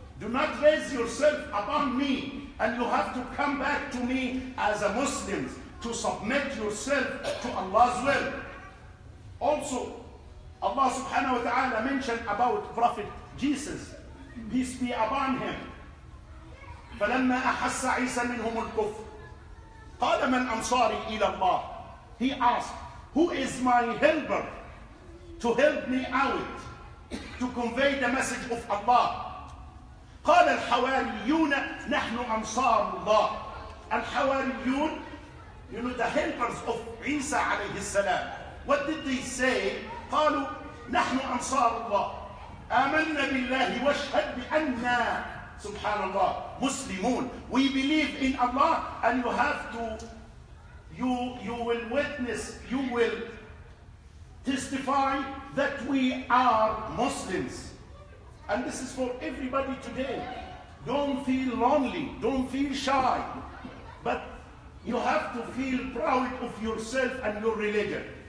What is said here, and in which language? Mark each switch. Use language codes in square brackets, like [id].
[en] Do not raise yourself upon me, and you have to come back to me as a Muslim, to submit yourself to Allah's will. Also, Allah subhanahu wa ta'ala mentioned about Prophet Jesus, peace be upon him. [ar] فلما أحس عيسى منهم الكفر قال من أنصاري إلى الله. [en] He asked, who is my helper to help me out to convey the message of Allah? [ar] قال الحواريون نحن أنصار الله. [en] الحواريون, you know, the helpers of عيسى عليه السلام. What did they say? [ar] قالوا نحن أنصار الله آمنا بالله واشهد بأننا سبحان الله مسلمون. [en] We believe in Allah, and you have to, you will witness, you will testify that we are Muslims. And this is for everybody today. Don't feel lonely. Don't feel shy. But you have to feel proud of yourself and your religion.